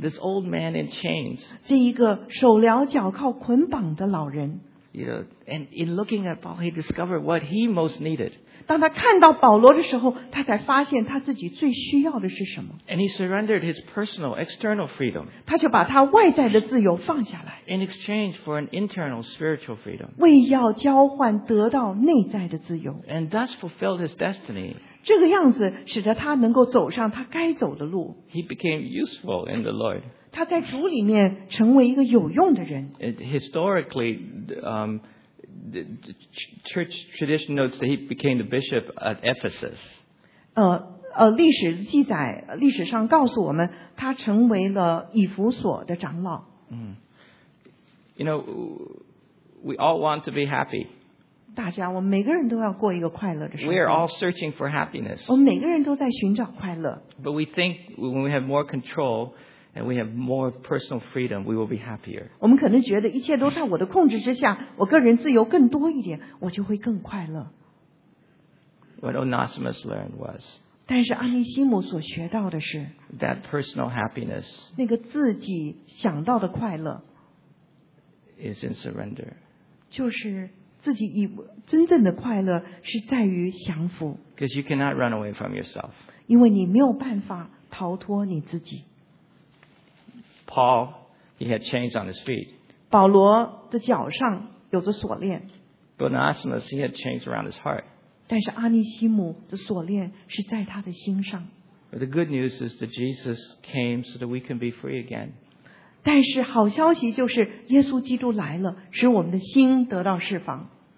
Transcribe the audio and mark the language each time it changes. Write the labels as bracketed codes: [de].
[en] This old man in chains. [zh] 这一个手镣脚铐捆绑的老人。 [en] You know, and in looking at Paul, he discovered what he most needed. [zh] 当他看到保罗的时候，他才发现他自己最需要的是什么。 [en] And he surrendered his personal, external freedom. [zh] 他就把他外在的自由放下来。 [en] In exchange for an internal, spiritual freedom. [zh] 为要交换得到内在的自由。 [en] And thus fulfilled his destiny. [zh] 这个样子使得他能够走上他该走的路。 [en] He became useful in the Lord. [zh] 他在主里面成为一个有用的人。 [en] Historically, church tradition notes that he became the bishop at Ephesus. [zh] 历史记载，历史上告诉我们，他成为了以弗所的长老。 [en] You know, we all want to be happy. [zh] 大家，我们每个人都要过一个快乐的生活。 [en] We are all searching for happiness. [zh] 我们每个人都在寻找快乐。 [en] But we think when we have more control,And we have more personal freedom, we will be happier. [zh] 我们可能觉得一切都在我的控制之下，我个人自由更多一点，我就会更快乐。 [en] What Onesimus learned was. [zh] 但是阿尼西姆所学到的是。 [en] That personal happiness. [zh] 那个自己想到的快乐。 [en] Is in surrender. [zh] 就是自己以真正的快乐是在于降服。 [en] Because you cannot run away from yourself. [zh] 因为你没有办法逃脱你自己。 [en] Paul, he had chains on his feet. [zh] 保罗的脚上有着锁链。 [en] Onesimus, he had chains around his heart. [zh] 但是阿尼西姆的锁链是在他的心上。 [en] But the good news is that Jesus came so that we can be free again. [zh] 但是好消息就是耶稣基督来了，使我们的心得到释放。